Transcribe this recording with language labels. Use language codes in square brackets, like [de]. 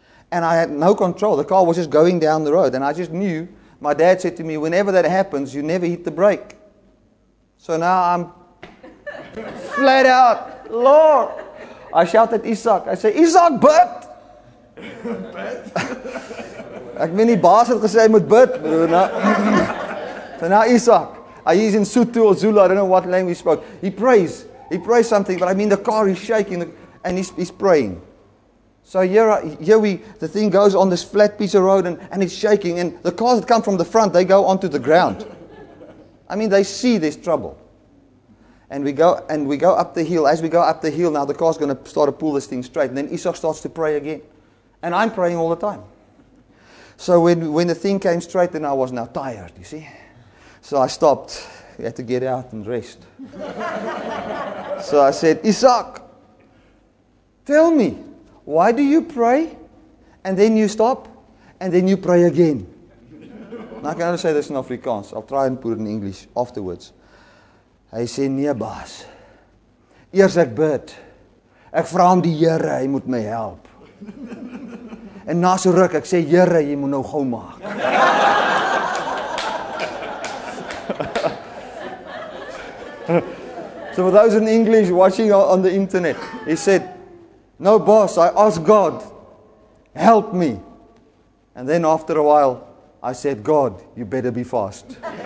[en] And I had no control. The car was just going down the road. And I just knew, my dad said to me, whenever that happens, you never hit the brake. So now I'm... flat out, Lord, I shout at Isaac. I say, Isaac, but. [af] Ek weet nie, baas het gesê, hy moet bid. [en] So now Isaac, he's in Sotho or Zulu, I don't know what language he spoke. He prays something, but I mean the car is shaking and he's praying. So the thing goes on this flat piece of road and it's shaking and the cars that come from the front, they go onto the ground. I mean, they see there's trouble. And we go up the hill. As we go up the hill, now the car's going to start to pull this thing straight. And then Isak starts to pray again. And I'm praying all the time. So when the thing came straight, then I was now tired, you see. So I stopped. We had to get out and rest. So I said, Isak, tell me, why do you pray? And then you stop, and then you pray again. Now, can I say this in Afrikaans? I'll try and put it in English afterwards. [af] Hy sê, nee baas, eers ek bid, ek vra om die Here, hy moet my help. En na so ruk, ek sê, Here, jy moet nou gauw maak. [en] So for those in English watching on the internet, he said, no boss, I ask God, help me. And then after a while, I said, God, you better be fast.